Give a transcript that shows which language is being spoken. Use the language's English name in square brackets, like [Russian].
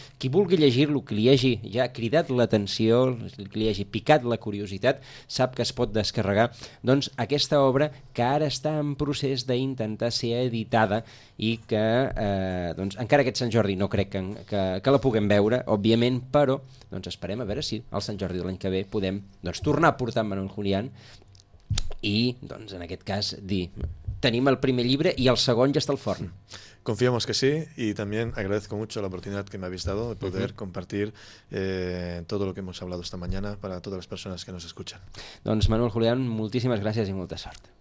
[Catalan] Qui vulgui llegir-lo, que li hagi ja cridat l'atenció, que li hagi picat la curiositat, sap que es pot descarregar doncs aquesta obra que ara està en procés d'intentar ser editada i que doncs, encara aquest Sant Jordi no crec que la puguem veure, òbviament, però doncs esperem a veure si el Sant Jordi de l'any que ve podem doncs, tornar a portar Manuel Julián i doncs, en aquest cas dir tenim el primer llibre i el segon ja està al forn. [Spanish] Confiamos que sí, y también agradezco mucho la oportunidad que me habéis dado de poder compartir todo lo que hemos hablado esta mañana para todas las personas que nos escuchan. [Catalan] Doncs Manuel Julián, moltíssimes gràcies i molta sort.